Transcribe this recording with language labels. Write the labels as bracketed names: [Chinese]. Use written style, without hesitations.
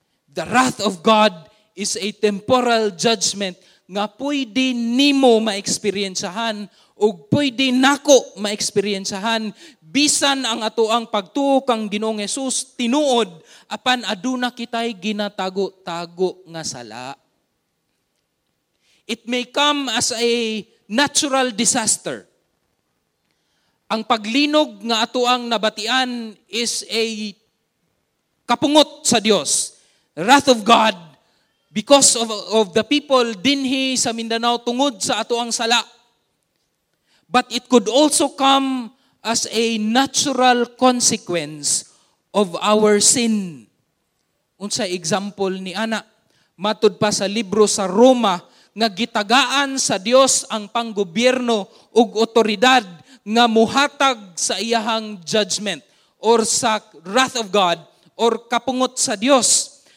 [English] The wrath of God is a temporal judgment [Cebuano] nga pwede nimo ma-experyensyahan ug pwede nako ma-experyensyahan. Bisan ang atoang pagtuo kang Ginoong Hesus tinuod, apan aduna kitay ginatago-tago nga sala. [English] It may come as a natural disaster. [Cebuano] Ang paglinog nga atoang nabatian is a kapungot sa Dios. [English] Wrath of God because of the people [Cebuano] dinhi sa Mindanao tungod sa atoang sala. [English] But it could also come as a natural consequence of our sin. [Cebuano] Unsa example ni ana? Matud pa sa libro sa Roma nga gitagaan sa Dios ang panggobyerno ug otoridad nga muhatag sa iyahang judgment or sa [English] wrath of God [Cebuano] or kapungot sa Dios.